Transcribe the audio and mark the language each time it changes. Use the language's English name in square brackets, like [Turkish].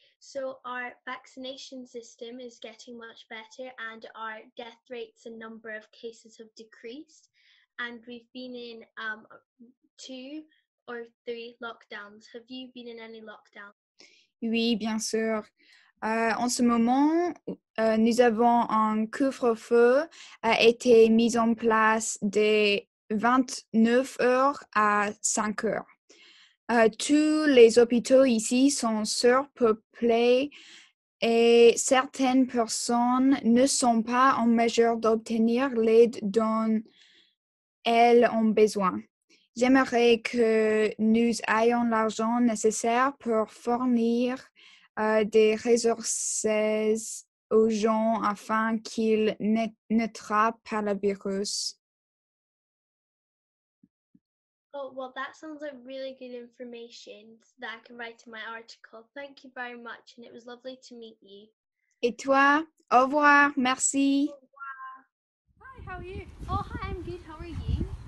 [English] So our vaccination system is getting much better and our death rates and number of cases have decreased. And we've been in two or three lockdowns. Have you been in any lockdown? [French] Oui, bien sûr. En ce moment, nous avons un couvre-feu qui a été mis en place de 29 heures à 5 heures. Tous les hôpitaux ici sont surpeuplés et certaines personnes ne sont pas en mesure d'obtenir l'aide dont elles ont besoin. J'aimerais que nous ayons l'argent nécessaire pour fournir des ressources aux gens afin qu'ils n'attrapent pas le virus. [English] Oh, well, that sounds like really good information that I can write in my article. Thank you very much, and it was lovely to meet you. [French] Et toi? Au revoir. Merci. Au revoir. [English] Hi, how are you? Oh, hi, I'm good. How are you?